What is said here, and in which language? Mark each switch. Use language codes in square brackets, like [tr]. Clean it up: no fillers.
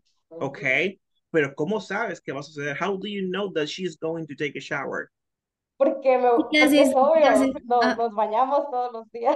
[es] Okay, pero ¿cómo sabes que va a suceder? [en] How do you know that she's going to take a shower? [es] Porque me, es obvio, nos bañamos todos los días.